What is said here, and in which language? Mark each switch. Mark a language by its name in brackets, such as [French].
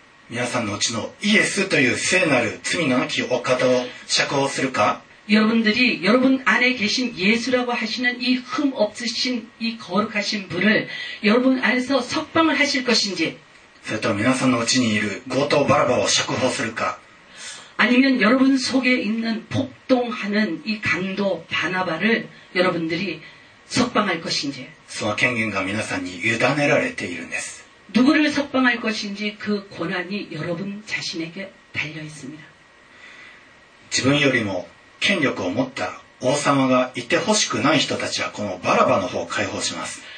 [Japanese] 皆さんのうちのイエスという聖なる罪のなきお方を釈放するか。 [Korean] 여러분들이여러분안에계신예수라고하시는이흠없으신이거룩하신분을여러분안에서석방을하실것인지 [Japanese] それと皆さんのうちにいる強盗バラバを釈放するか [Korean] 아니면여러분속에있는폭동하는이강도바나바를여러분들이석방할것인지 [Japanese] その権限が皆さんに委ねられているんです。 [Korean] 누구를석방할것인지그권한이여러분자신에게달려있습니다。 [Japanese] 自分よりも権力を持った王様がいてほしくない人たちはこのバラバの方を解放します。